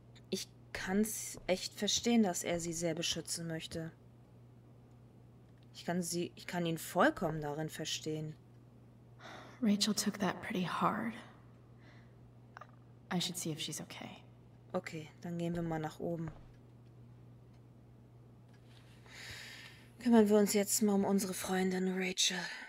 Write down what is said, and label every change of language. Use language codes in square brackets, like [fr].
[de] Ich kann es echt verstehen, dass er sie sehr beschützen möchte. Ich kann ihn vollkommen darin verstehen. [en] Rachel took that pretty hard. I should see if she's okay. [de] Okay, dann gehen wir mal nach oben. Kümmern wir uns jetzt mal um unsere Freundin Rachel.